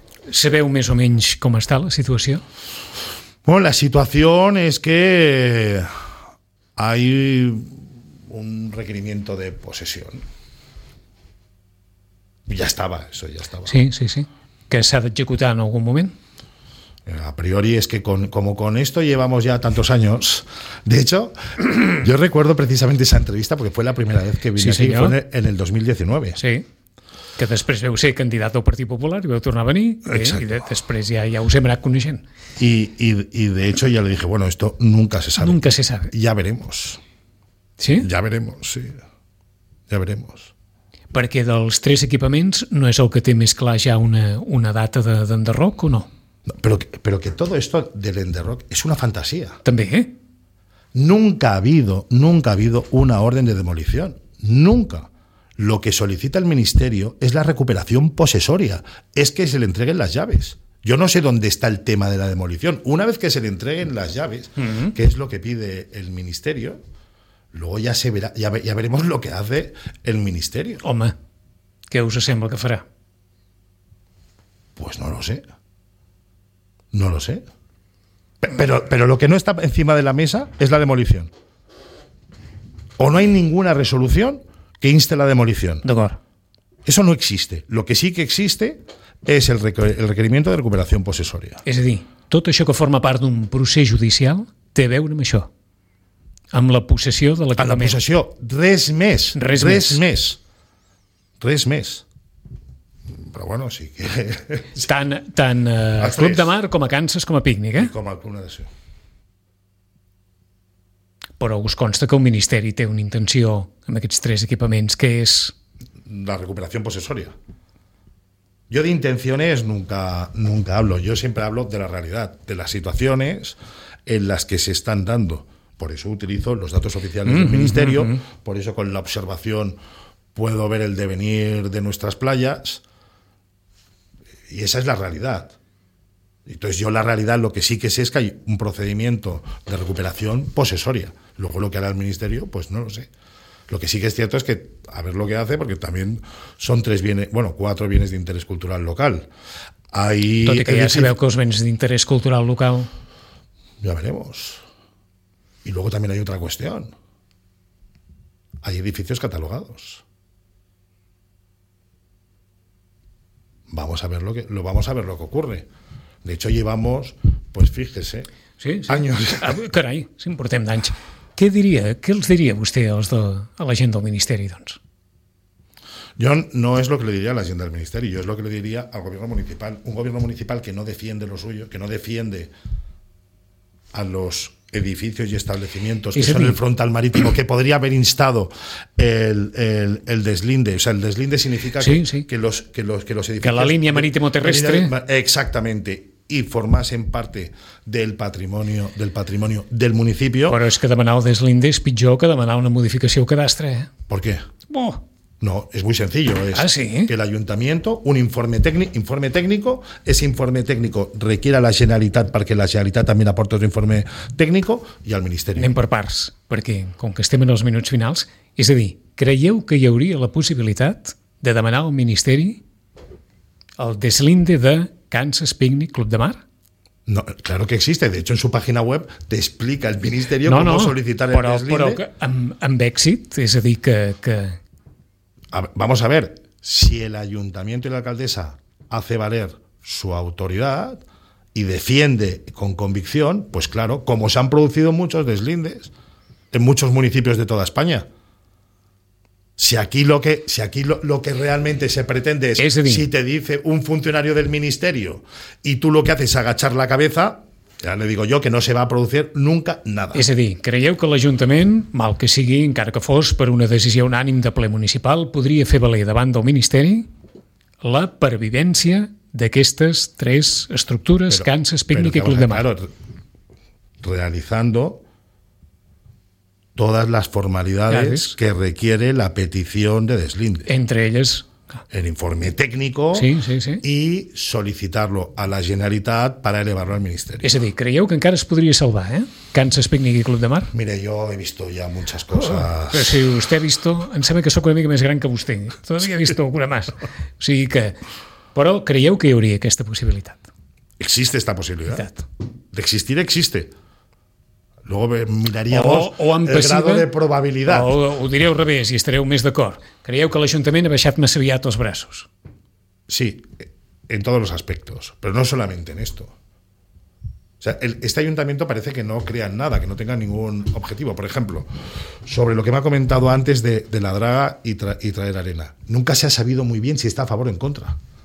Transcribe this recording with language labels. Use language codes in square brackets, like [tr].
[ca] ¿Sabeu més o menys com està la situació? [es] Bueno, la situación es que hay un requerimiento de posesión. Ya estaba, eso ya estaba. Sí, sí, sí. ¿Que se ha de ejecutar en algún momento? A priori es que con esto llevamos ya tantos años. De hecho, yo recuerdo precisamente esa entrevista porque fue la primera vez que vine sí, aquí, fue en el 2019. [ca] Sí, que després veu ser candidat al Partit Popular i veu tornar a venir, i després ja us hem anat coneixent. I [es] de hecho ja li dije, bueno, esto nunca se sabe. Nunca se sabe. Ya veremos. Sí? Ya veremos, sí. Ya veremos. [ca] Perquè dels tres equipaments no és el que té més clar ja una data d'enderroc o no? [es] Pero que todo esto del enderroc es una fantasía. [ca] També, eh? [es] Nunca ha habido una orden de demolición. Nunca. Lo que solicita el ministerio es la recuperación posesoria, es que se le entreguen las llaves. Yo no sé dónde está el tema de la demolición. Una vez que se le entreguen las llaves, que es lo que pide el ministerio, luego ya se verá, ya veremos lo que hace el ministerio. [ca] Home, ¿qué os sembla que farà? [es] Pues no lo sé. No lo sé. Pero lo que no está encima de la mesa es la demolición. O no hay ninguna resolución que inste la demolición. [ca] D'acord. [es] Eso no existe. Lo que sí que existe es el requerimiento de recuperación posesoria. [ca] És a dir, tot això que forma part d'un procés judicial té a veure amb això. Amb la possessió de l'equipament. Amb la possessió. Res més. Res, res més. Més. Res més. Però bueno, sí que... Tant el Club de Mar com a Kansas com a Pícnic, eh? I com a Club de Nació. Però us consta que el Ministeri té una intenció amb aquests tres equipaments, que és... La recuperació possessòria. Jo d' [es] intenciones nunca hablo. [ca] Jo sempre [es] hablo [ca] de la realitat, de les situacions en les que [es] se estan dando. Por eso utilizo los datos oficiales del Ministeri, por eso con la observació puedo ver el devenir de nuestras playas. Y esa es la realidad. Entonces yo la realidad lo que sí que sé es que hay un procedimiento de recuperación posesoria. Luego lo que hará el ministerio, pues no lo sé. Lo que sí que es cierto es que a ver lo que hace, porque también son tres bienes, bueno, cuatro bienes de interés cultural local. Hay [ca] tot i que [es] ya se [ca] veu que els bens de interés cultural local. [es] Ya veremos. Y luego también hay otra cuestión. Hay edificios catalogados. Vamos a ver lo que ocurre. De hecho, llevamos, pues fíjese, sí, sí. Años. [ca] Carai, sí, portem d'anys. Què diria, què els diria vostè a la gent del Ministeri, doncs? Jo no és el que li diria a la gent del Ministeri, jo és el que li diria al govern municipal. Un govern municipal [es] que no defiende lo suyo, que no defiende a los edificios y establecimientos que son el frontal marítimo, que podría haber instado el deslinde. O sea, el deslinde significa que los edificios... Que la línea marítimo terrestre... Exactamente. Y formasen parte del patrimonio del municipio. [ca] Però és que demanar el deslinde és pitjor que demanar una modificació cadastre. [es] ¿Por qué? Oh. No, es muy sencillo. Ah, sí? Que el ayuntamiento, un informe técnico, ese informe técnico requiera la Generalitat [ca] perquè la Generalitat també aporta [es] un informe técnico i al Ministeri. [ca] Anem per parts, perquè com que estem en els minuts finals, és a dir, creieu que hi hauria la possibilitat de demanar al Ministeri el deslinde de Kansas Picnic Club de Mar? [es] No, claro que existe. De hecho, en su página web te explica el Ministeri [ca] com solicitar [es] el deslinde. [ca] Però que amb èxit, és a dir, que [es] Vamos a ver, si el ayuntamiento y la alcaldesa hace valer su autoridad y defiende con convicción, pues claro, como se han producido muchos deslindes en muchos municipios de toda España. Si aquí lo que realmente se pretende es si te dice un funcionario del ministerio y tú lo que haces es agachar la cabeza, [ca] Ja li [es] digo jo que no se va a producir nunca nada. [ca] És a dir, creieu que l'Ajuntament, mal que sigui, encara que fos per una decisió unànim de ple municipal, podria fer valer davant del Ministeri la pervivència d'aquestes tres estructures, Canses, Pícnic i Club de Mar? [es] Claro, realizando todas las formalidades que requiere la petición de deslinde. Entre ellas... el informe técnico, sí. Y solicitarlo a la Generalitat para elevarlo al Ministerio. [ca] És a dir, creieu que encara es podria salvar, Canses, Pícnic i Club de Mar? [es] Mire, yo he visto ya muchas cosas. [ca] Però [es] si usted ha visto, [ca] em sembla que soc una mica més gran que vostè. [es] Todavía he visto alguna más. [ca] O sigui que... però creieu que hi hauria aquesta possibilitat? [es] Existe esta possibilitat. D'existir, existe. Luego miraríamos el grado de probabilidad. [ca] O ho direu al revés i estareu més d'acord. Creieu que l'Ajuntament ha baixat massa aviat els braços? [es] Sí, en todos los aspectos, pero no solamente en esto. O sea, este ayuntamiento parece que no crea en nada, que no tenga ningún objetivo. Por ejemplo, sobre lo que me ha comentado antes de la draga y traer arena. Nunca se ha sabido muy bien si está a favor o en contra.